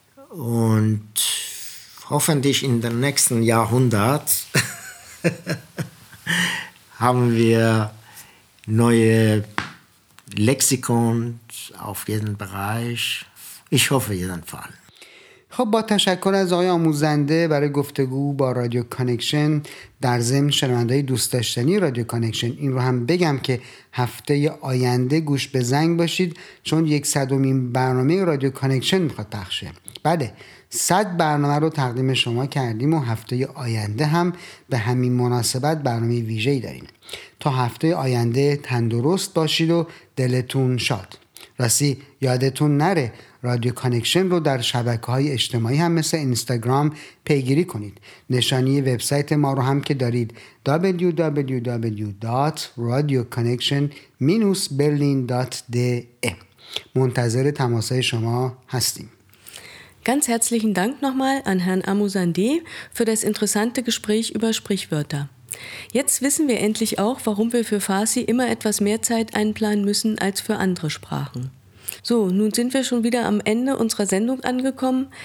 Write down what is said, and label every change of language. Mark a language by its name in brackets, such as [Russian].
[German] Und hoffentlich in den nächsten Jahrhundert haben wir neue Lexikon auf jeden Bereich. Ich hoffe jedenfalls. [Persian] خب با تشکر از آقای آموزنده برای گفتگو با رادیو کانکشن، در ضمن شنوندهای دوست داشتنی رادیو کانکشن این رو هم بگم که هفته آینده گوش به زنگ باشید، چون 100مین برنامه رادیو کانکشن میخواد پخش شه. بله، 100 برنامه رو تقدیم شما کردیم و هفته آینده هم به همین مناسبت برنامه ویژه‌ای داریم. تا هفته آینده تندرست باشید و دلتون شاد. راستی یادتون نره رادیو کانکشن رو در شبکه‌های اجتماعی هم مثل اینستاگرام پیگیری کنید. نشانی وبسایت ما رو هم که دارید www.radioconnection-berlin.de. منتظر تماس‌های شما هستیم. [German] Ganz herzlichen Dank nochmal an Herrn Amuzandeh für das interessante Gespräch über Sprichwörter. Jetzt wissen wir endlich auch, warum wir für Farsi immer etwas mehr Zeit einplanen müssen als für andere Sprachen. So, nun sind wir schon wieder am Ende unserer Sendung angekommen.